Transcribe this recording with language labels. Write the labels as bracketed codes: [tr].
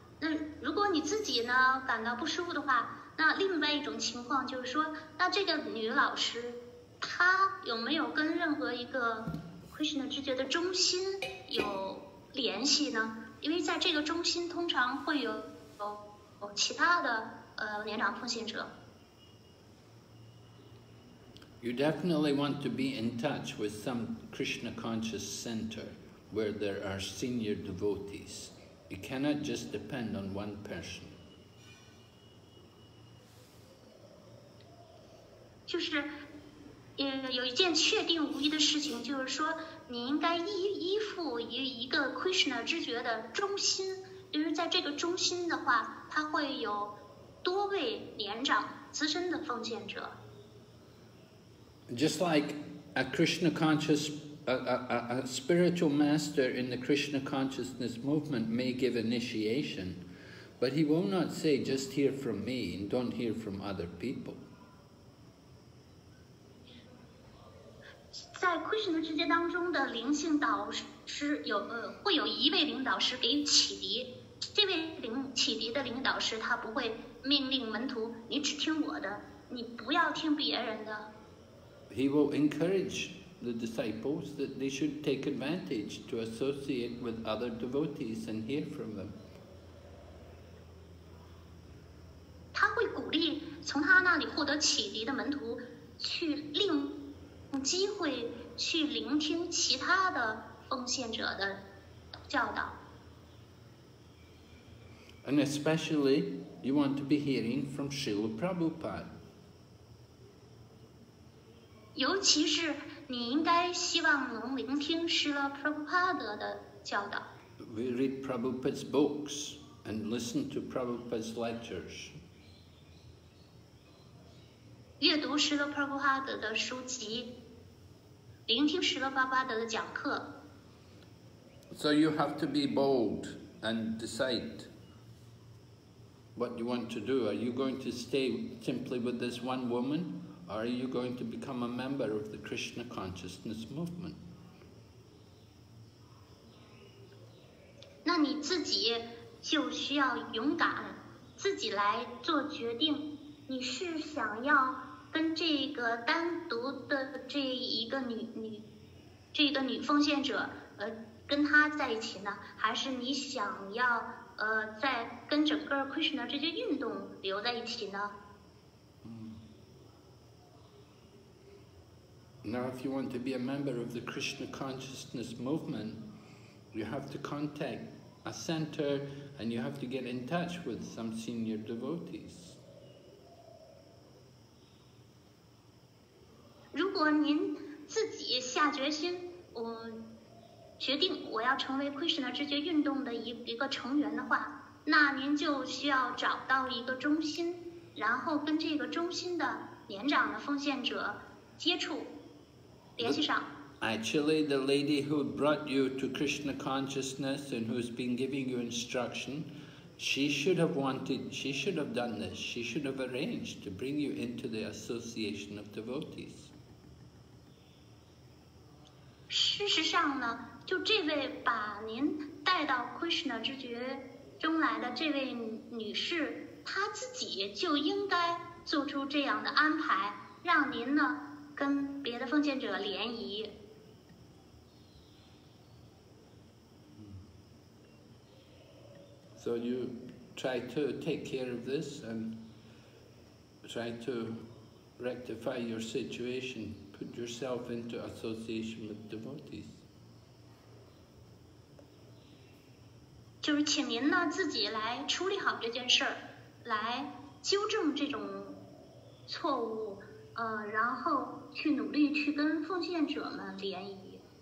[zh] 那如果你自己呢感到不舒服的话，那另外一种情况就是说，那这个女老师她有没有跟任何一个 Krishna 知觉的中心有联系呢？因为在这个中心通常会有其他的年长奉献者。 [en] You definitely want to be in touch with some Krishna conscious center where there are senior devotees. You cannot just depend on one person. [zh] 就是有一件确定无疑的事情，就是说你应该依附于一个 Krishna 知觉的中心，因为在这个中心的话，它会有多位年长资深的奉献者。 [en] Just like a Krishna conscious, a spiritual master in the Krishna consciousness movement may give initiation, but he will not say just hear from me and don't hear from other people. [zh] 在 Krishna 之间当中的灵性导师会有一位领导师给予启迪，这位启迪的领导师他不会命令门徒你只听我的，你不要听别人的。 [en] He will encourage the disciples that they should take advantage to associate with other devotees and hear from them. [zh] 他会鼓励从他那里获得启迪的门徒去另。机会去聆听其他的奉献者的教导。 [en] And especially, you want to be hearing from Srila Prabhupada. [zh] 尤其是你应该希望能聆听 Srila Prabhupada 的教导。 [en] We read Prabhupada's books and listen to Prabhupada's lectures. [zh] 阅读 Srila Prabhupada 的书籍。聆听十个巴巴德的讲课。 [en] So you have to be bold and decide what you want to do. Are you going to stay simply with this one woman, or are you going to become a member of the Krishna consciousness movement? [zh] 那你自己就需要勇敢，自己来做决定。你是想要？跟这个单独的这一个女奉献者，跟她在一起呢，还是你想要在跟整个 Krishna 这些运动留在一起呢？ [en] Now, if you want to be a member of the Krishna consciousness movement, you have to contact a center and you have to get in touch with some senior devotees. [zh] 如果您自己下决心，我决定我要成为 Krishna 知觉运动的一个成员的话，那您就需要找到一个中心，然后跟这个中心的年长的奉献者接触，联系上。 [en] Actually, the lady who brought you to Krishna consciousness and who's been giving you instruction, she should have done this. She should have arranged to bring you into the association of devotees. [zh] 事实上呢，就这位把您带到 Krishna 知觉中来的这位女士，她自己就应该做出这样的安排，让您呢跟别的奉献者联谊。 [en] So you try to take care of this and try to rectify your situation, put yourself into association with devotees. [zh] 就是请您呢自己来处理好这件事儿，来纠正这种错误，然后去努力去跟奉献者们联谊。